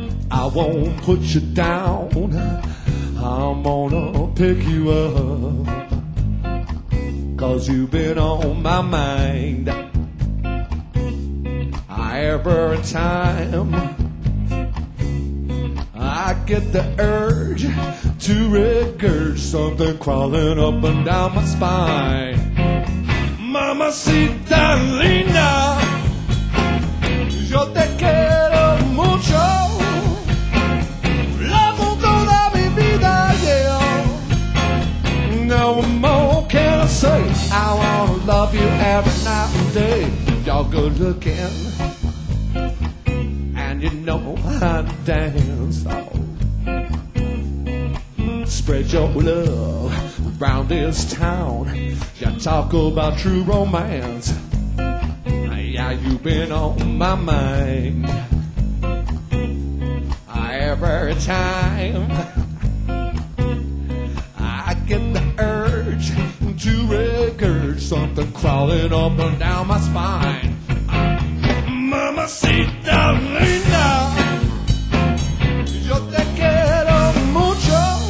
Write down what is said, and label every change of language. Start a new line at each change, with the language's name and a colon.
English: I won't put you down. I'm gonna pick you up, 'cause you've been on my mind. Every time I get the urge to record something crawling up and down my spine.
Spanish: Mamacita linda, yo te quiero mucho.
English: L'amour
Spanish: toda mi vida,
English: yeah. No more can I say. I wanna love you every night and day. You're good looking, you know how to dance, oh. Spread your love around this town. You talk about true romance. Yeah, you've been on my mind. Every time I get the urge to record something crawling up and down my spine.
Spanish: Mamacita linda, yo te quiero mucho.